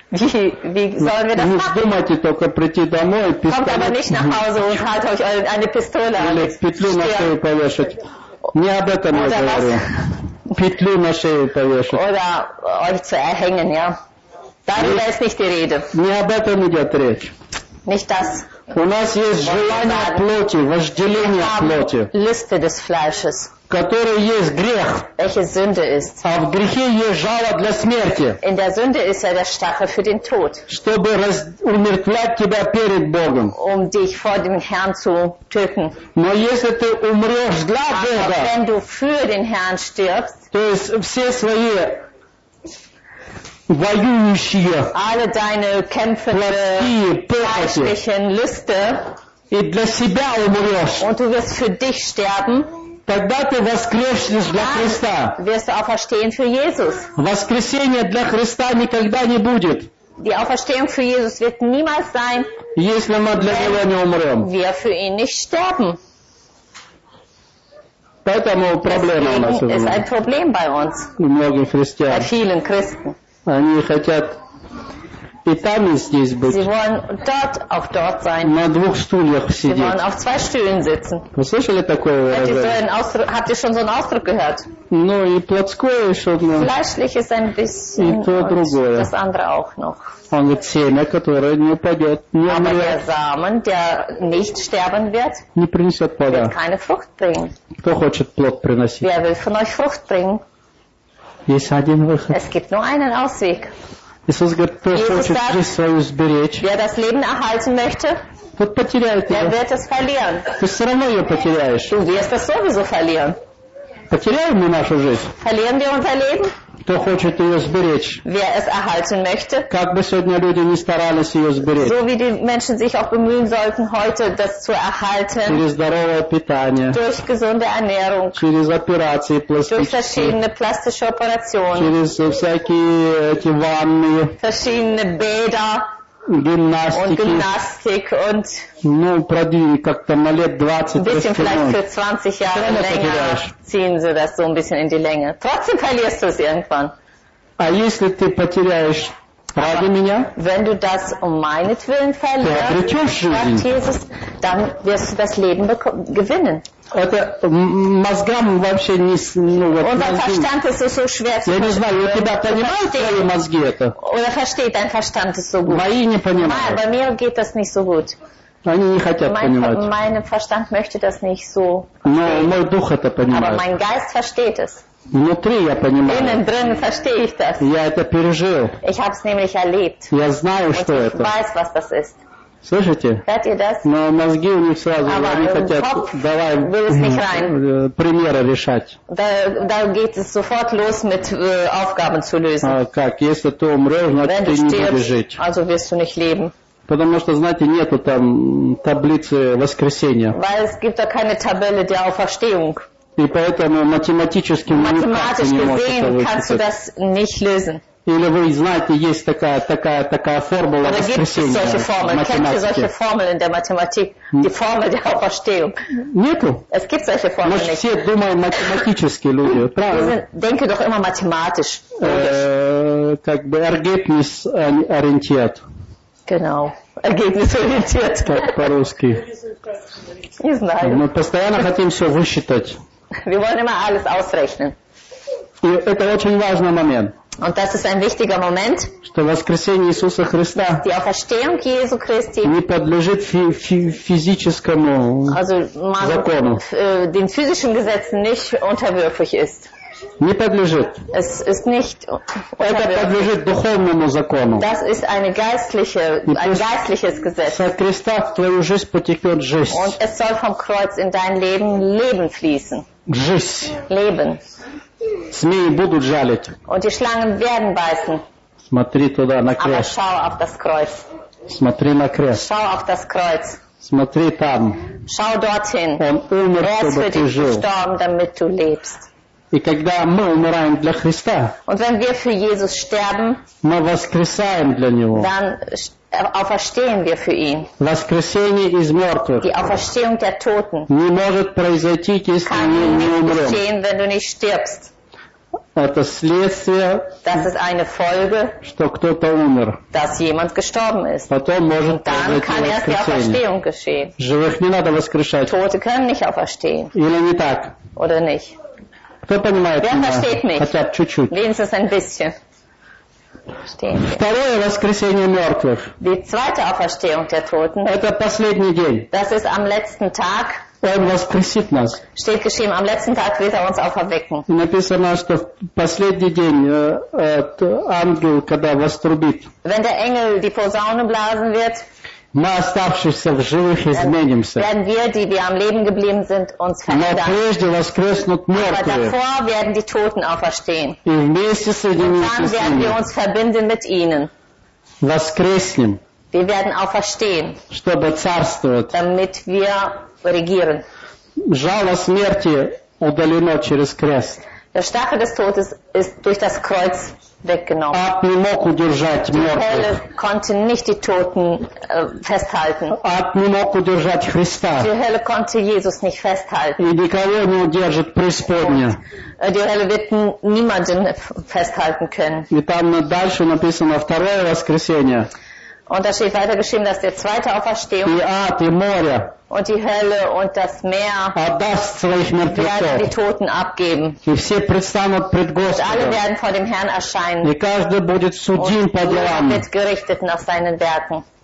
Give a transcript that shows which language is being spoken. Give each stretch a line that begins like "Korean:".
German: Wie sollen wir das machen? Kommt aber nicht nach Hause und halt euch eine Pistole an.
Russian: Петлю на шею повешать. Не об этом я говорю. Петлю на шею повешать.
German: Oder euch zu erhängen, ja. Darüber ist nicht die Rede.
Russian: Не об этом идет речь.
German: Nicht das.
Russian: У нас есть желание плоти, вожделение плоти.
German: Liste des Fleisches.
Russian: Которой есть грех.
German: Welche Sünde ist.
Russian: А в грехе есть жало для смерти.
German: In der Sünde ist ja der Stachel für den Tod.
Russian: Чтобы умертвлять тебя перед Богом.
German: Um dich vor dem Herrn zu töten.
Russian: Но если ты умрешь для Бога.
German: Wenn du für den Herrn stirbst.
Russian: То есть все свои воюющие.
German: Alle deine kämpfende, fleischlichen Lüste.
Russian: И для себя умрешь.
German: Und du wirst für dich sterben.
Russian: Тогда ты воскреснешь для Христа.
German: Wirst du auferstehen für Jesus.
Russian: Воскресение для Христа никогда не будет.
German: Die Auferstehung für Jesus wird niemals sein,
Russian: если мы для Него не умрем.
German: Wir für ihn nicht sterben.
Russian: Поэтому проблема у нас.
German: Deswegen ist ein Problem bei uns.
Russian: Многие христиане.
German: Bei vielen Christen.
Russian: Они хотят и там, и здесь быть.
German: Sie wollen dort, auch dort sein.
Russian: На двух стульях сидеть.
German: Sie wollen auf zwei Stühlen sitzen.
Russian: Вы слышали такое выражение?
German: Habt ihr schon so einen Ausdruck gehört?
Russian: Ну и плотское еще одно.
German: Fleischlich ist ein bisschen.
Russian: И то другое.
German: Das andere auch noch.
Russian: Он говорит, семя, которое не упадет, не умрет.
German: Aber der Samen, der nicht sterben wird,
Russian: не принесет плода.
German: Wird keine Frucht bringen.
Russian: Кто хочет плод приносить?
German: Wer will von euch Frucht bringen?
Russian: Есть один выход.
German: Es gibt nur einen Ausweg.
Russian: Иисус говорит, кто хочет жизнь свою сберечь,
German: wer das Leben erhalten möchte,
Russian: тот потеряет ее.
German: Der wird es verlieren.
Russian: Ты все равно ее потеряешь.
German: Du wirst es sowieso verlieren.
Russian: Потеряем мы нашу жизнь.
German: Verlieren wir unser Leben?
Russian: Кто хочет ее сберечь,
German: wer es erhalten möchte,
Russian: как бы сегодня люди не старались ее сберечь,
German: so wie die Menschen sich auch bemühen sollten, heute das zu erhalten,
Russian: через здоровое питание,
German: durch gesunde Ernährung,
Russian: через операции пластические,
German: durch verschiedene plastische Operationen,
Russian: через всякие эти ванны,
German: verschiedene Bäder, Gymnastik und
Russian: ну, продвиг, как-то на лет 20,
German: ein bisschen vielleicht für 20 Jahre länger ziehen sie das so ein bisschen in die Länge. Trotzdem verlierst du es irgendwann.
Russian: А если ты потеряешь ради меня,
German: wenn du das um meinetwillen verlierst, sagt Jesus, dann wirst du das Leben gewinnen.
Russian: Это мозгам вообще не ну вот.
German: Verstand ist so schwer zu verstehen.
Russian: Я не знаю, у тебя понимают твои мозги это?
German: Oder versteht dein Verstand es so gut?
Russian: Мои не понимают.
German: Bei mir geht das nicht so gut.
Russian: Они не хотят понимать.
German: Mein Verstand möchte das nicht so.
Russian: Но мой дух это понимает.
German: Aber mein Geist versteht es.
Russian: Внутри я понимаю.
German: Innen drin verstehe ich das.
Russian: Я это пережил.
German: Ich habe es nämlich erlebt.
Russian: Я знаю, что
German: ich
Russian: это.
German: Weiß, was das ist.
Russian: Слышите?
German: Hört ihr das?
Russian: Но мозги у них сразу,
German: aber
Russian: они хотят, давай, примеры решать.
German: Da geht es sofort los mit Aufgaben zu lösen.
Russian: А как? Если ты умрешь, значит ты не будешь жить.
German: Also wirst du nicht leben.
Russian: Потому что, знаете, нету там таблицы воскресения.
German: Weil es gibt da keine Tabelle der Auferstehung.
Russian: И поэтому математически никак ты не можешь это
German: Mathematisch gesehen kannst du das nicht lösen.
Russian: Или вы знаете, есть такая формула воскресения.
German: Kennt ihr solche Formeln in der Mathematik? Die Formel der Auferstehung.
Russian: Нету.
German: Es gibt solche Formeln nicht.
Russian: Мы все думаем математически, люди. Правильно?
German: Denke doch immer mathematisch.
Russian: Как бы Ergebnis ориентиert.
German: Genau. Ergebnis ориентiert.
Russian: Как по-русски. Не знаю. Мы постоянно хотим все высчитать.
German: Wir wollen immer alles ausrechnen.
Russian: И это очень важный момент.
German: Und das ist ein wichtiger Moment,
Russian: что воскресение Иисуса Христа,
German: die Auferstehung Jesu Christi,
Russian: не подлежит физическому
German: also man
Russian: закону,
German: den physischen Gesetzen nicht unterwürfig ist.
Russian: Не подлежит.
German: Es ist nicht unterwürfig.
Russian: Это подлежит духовному закону.
German: Das ist eine geistliche, ein geistliches Gesetz.
Russian: Со креста в твою жизнь потекет жизнь.
German: Und es soll vom Kreuz in dein Leben Leben fließen.
Russian: Жизнь.
German: Leben.
Russian: Змеи будут жалить.
German: Und die Schlangen werden beißen.
Russian: Смотри туда, на крест.
German: Aber schau auf das Kreuz.
Russian: Смотри на крест.
German: Schau auf das Kreuz.
Russian: Смотри там.
German: Schau dorthin.
Russian: Он умер, чтобы ты жил.
German: Er ist für dich gestorben, damit du lebst.
Russian: И когда мы умираем для Христа,
German: und wenn wir für Jesus sterben,
Russian: мы воскресаем для Него.
German: Dann auferstehen wir für ihn.
Russian: Воскресение из мертвых.
German: Die Auferstehung der Toten.
Russian: Не может произойти, если мы не умрем.
German: Kann nicht geschehen, wenn du nicht stirbst.
Russian: Это следствие,
German: das ist eine Folge,
Russian: что кто-то умер.
German: Dass jemand gestorben ist.
Russian: Потом может
German: Und dann kann erst die Auferstehung geschehen.
Russian: Живых не надо воскрешать.
German: Tote können nicht auferstehen.
Russian: Или не так.
German: Oder nicht.
Russian: Кто понимает?
German: Wer versteht mich?
Russian: Хотя бы чуть-чуть.
German: Wenigstens ein bisschen.
Russian: Второе воскресение мертвых.
German: Die zweite Auferstehung der Toten.
Russian: Это последний день.
German: Das ist am letzten Tag.
Russian: Он воскресит нас.
German: Steht geschrieben, am letzten Tag wird uns auferwecken.
Russian: Написано, что в последний день ангел, когда вострубит.
German: Wenn der Engel die Posaune blasen wird.
Russian: Мы оставшиеся в живых изменимся.
German: Werden wir, die wir am Leben geblieben sind, uns verändern.
Russian: Но прежде воскреснут мертвые.
German: Aber davor werden die Toten auferstehen.
Russian: И вместе с ними.
German: Und dann werden wir uns verbinden mit ihnen.
Russian: Воскреснем.
German: Wir werden auferstehen.
Russian: Чтобы царствовать.
German: Damit wir regieren.
Russian: Жало смерти удалено через крест.
German: Der Stachel des Todes ist durch das Kreuz weggenommen. Die Hölle konnte nicht die Toten festhalten. Die Hölle konnte Jesus nicht festhalten. Die Hölle wird niemanden festhalten können.
Russian: И там дальше написано второе воскресение.
German: Und da steht weiter geschrieben, dass der zweite Auferstehung und die Hölle und das Meer werden die Toten abgeben. Und alle werden vor dem Herrn erscheinen. Und jeder wird gerichtet nach seinen Werken.